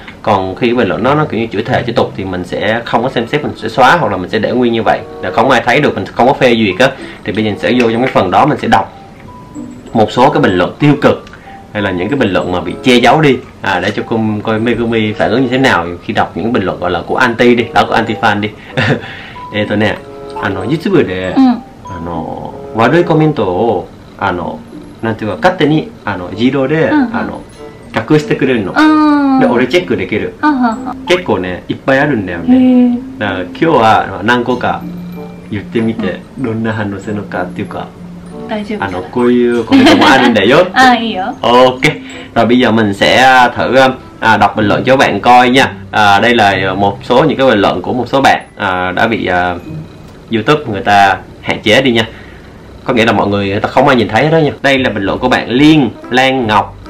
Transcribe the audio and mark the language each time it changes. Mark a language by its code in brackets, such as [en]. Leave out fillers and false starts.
[vi] Còn khi cái bình luận đó nó kiểu như chửi thề chửi tục thì mình sẽ không có xem xét, mình sẽ xóa hoặc là mình sẽ để nguyên như vậy là không ai thấy được, mình không có phê duyệt á. Thì bây giờ mình sẽ vô trong cái phần đó, mình sẽ đọc một số cái bình luận tiêu cực hay là những cái bình luận mà bị che giấu đi, để cho cô coi Megumi phản ứng như thế nào khi đọc những bình luận gọi là của anti đi, đó, của anti fan đi. Ê tôi nè, [ja] YouTube で悪いコメントをなんていうか勝手に自動で隠してくれるの、で俺チェックできる、結構ねいっぱいあるんだよね、だから今日は何個か言ってみてどんな反応するのかっていうか、大丈夫こういうコメントもあるんだよって。あ、いいよ。 [vi] OK rồi bây giờ mình sẽ thử đọc bình luận cho bạn coi nha. Đây là một số những cái bình luận của một số bạn đã bị YouTube người ta hạn chế đi nha. Có nghĩa là mọi người ta không ai nhìn thấy hết đó nha. Đây là bình luận của bạn Liên Lan Ngọc.